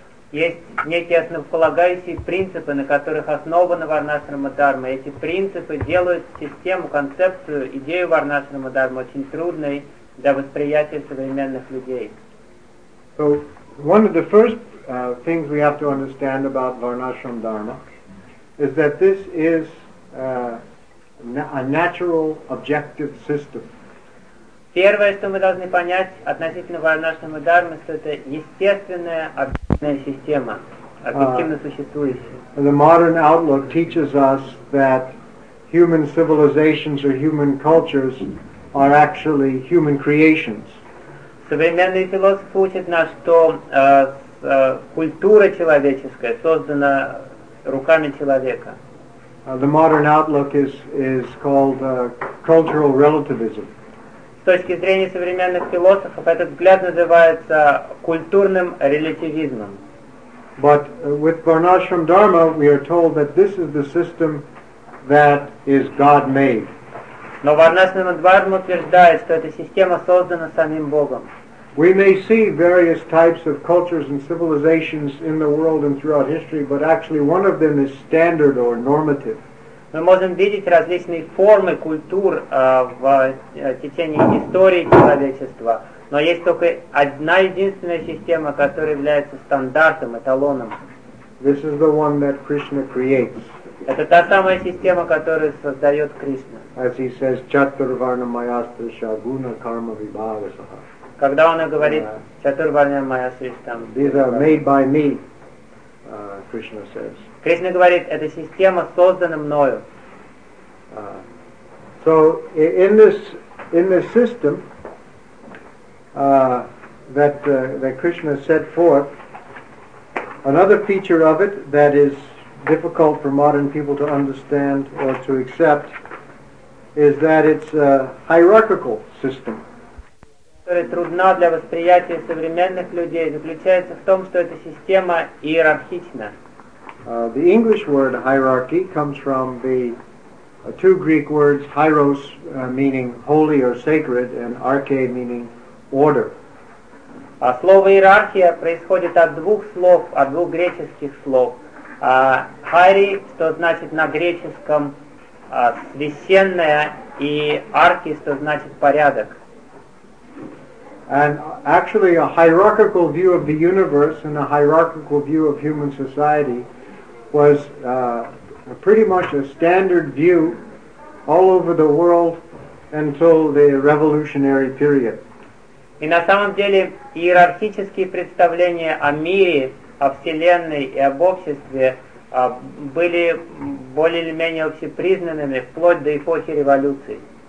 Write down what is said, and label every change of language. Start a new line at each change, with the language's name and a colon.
Russian: Есть некие основополагающие принципы, на которых основана Варнашрама Дхарма. Эти принципы делают систему, концепцию, идею Варнашрама Дхарма очень трудной для восприятия современных людей.
English: So, one of the first things we have to understand about Varnashram Dharma is that this is a natural objective system.
Russian: Первое, что мы должны понять относительно Варнашрама Дхармы, что это естественная объективная система, объективно существующая.
English: The modern outlook teaches us that human civilizations or human cultures are actually human creations.
Russian: Современные философы учат нас, что культура человеческая создана руками человека.
English: The modern outlook is called cultural relativism.
Russian: С точки зрения современных философов, этот взгляд называется культурным релятивизмом.
English: But with Varnashram Dharma, we are told that this is the system that is God-made.
Russian: Но Варнашрам Дхарма утверждает, что эта система создана самим Богом.
English: We may see various types of cultures and civilizations in the world and throughout history, but actually one of them is standard or normative.
Russian: Мы можем видеть различные формы культур в течение истории человечества, но есть только одна единственная система, которая является стандартом, эталоном.
English: This is the one that Krishna creates.
Russian: Это та самая система, которую создает Кришна.
English: As he says,
Sanskrit: chaturvarnamayastrisha guna karma vibhavasaha.
Russian: Когда он говорит, chaturvarnamayastrisha.
English: These are made by me, Krishna says.
Russian: Кришна говорит, эта система создана мною.
English: So in this system that Krishna set forth, another feature of it that is difficult for modern people to understand or to accept is that it's a hierarchical system.
Russian: Которая трудна для восприятия современных людей, заключается в том, что эта система иерархична.
English: The English word hierarchy comes from the two Greek words hieros, meaning holy or sacred, and arche, meaning order.
Russian: А слово иерархия происходит от двух слов, от двух греческих слов. Хайри, что значит на греческом священное, и архи, что значит порядок.
English: And actually, a hierarchical view of the universe and a hierarchical view of human society was pretty much a standard view all over the world until the revolutionary period.
Russian: И на самом деле иерархические представления о мире, о вселенной и об обществе были более или менее общепризнанными вплоть до эпохи революции.